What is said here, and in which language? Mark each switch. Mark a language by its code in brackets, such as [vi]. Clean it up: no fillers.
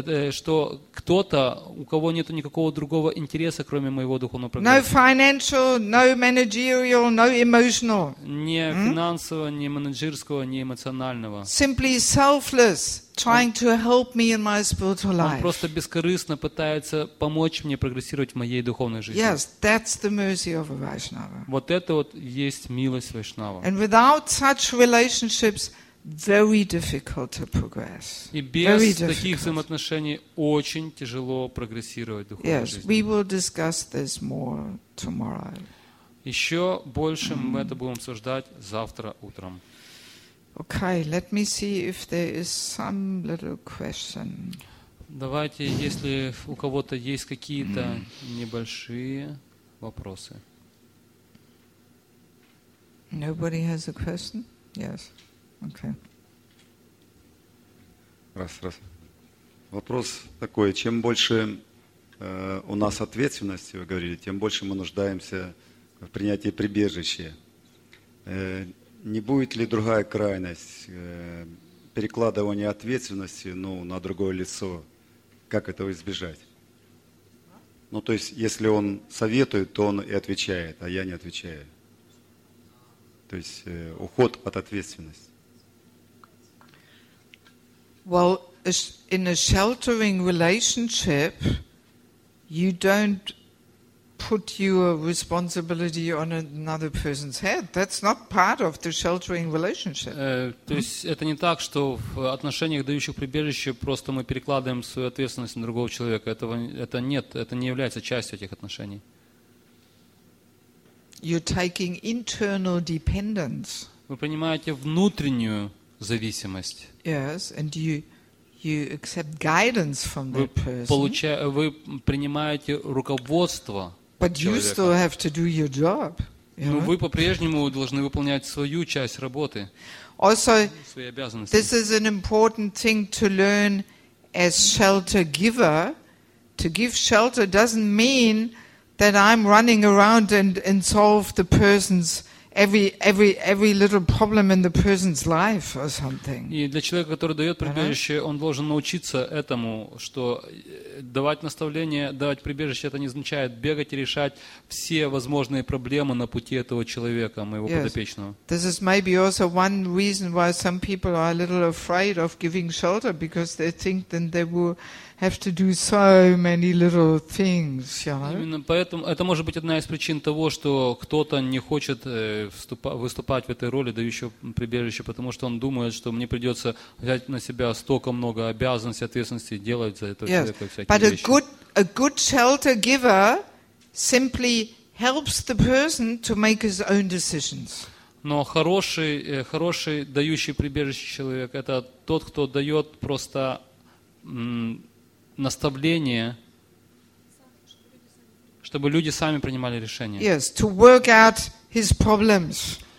[ru] Что кто-то, у кого нет никакого другого интереса, кроме моего духовного прогресса. [en] No financial, no managerial, no emotional. [ru] Ни финансового, ни менеджерского, ни эмоционального. [en] Simply selfless, trying to help me in my spiritual life. [ru] Он просто бескорыстно пытается помочь мне прогрессировать в моей духовной жизни. [en] Yes, that's the mercy of a Vaishnava. [ru] Вот это вот есть милость Вайшнава. [en] And without such relationships, very difficult to progress. [ru] И без таких взаимоотношений очень тяжело прогрессировать в духовной жизни. [en] Yes, we will discuss this more tomorrow. [ru] Еще больше мы это будем обсуждать завтра утром. [en] Okay, let me see if there is some little question. [ru] Давайте, если у кого-то есть какие-то небольшие вопросы. [en] Nobody has a question? Yes. Okay. [ru] Раз. Вопрос такой: чем больше у нас ответственности, вы говорили, тем больше мы нуждаемся в принятии прибежища. Не будет ли другая крайность перекладывания ответственности на другое лицо? Как этого избежать? Ну, то есть, если он советует, то он и отвечает, а я не отвечаю. То есть уход от ответственности. [en] Well, in a sheltering relationship, you don't put your responsibility on another person's head. That's not part of the sheltering relationship. [ru] То есть это не так, что в отношениях, дающих прибежище, просто мы перекладываем свою ответственность на другого человека. Это не является частью этих отношений. [en] You're taking internal dependence. [ru] Вы принимаете внутреннюю зависимость. [en] Yes, and you accept guidance from that person. [ru] Вы принимаете руководство. [en] But you still have to do your job. [ru] Но вы по-прежнему должны выполнять свою часть работы. [en] Also, this is an important thing to learn as shelter giver. To give shelter doesn't mean that I'm running around and solve the person's every little problem in the person's life or something. [ru] И для человека, который дает прибежище, он должен научиться этому, что давать наставление, давать прибежище, это не означает бегать и решать все возможные проблемы на пути этого человека, моего подопечного. [en] This is maybe also one reason why some people are a little afraid of giving shelter, because they think then they will have to do so many little things, you know? [ru] Именно поэтому это может быть одна из причин того, что кто-то не хочет выступать в этой роли дающего прибежища, потому что он думает, что мне придется взять на себя столько много обязанностей, ответственности, делать за этого человека всякие [en] but [ru] вещи. [en] A good shelter giver simply helps the person to make his own decisions. [ru] Но хороший дающий прибежище человек — это тот, кто дает просто наставление, чтобы люди сами принимали решения. [en] Yes, to work out his problems.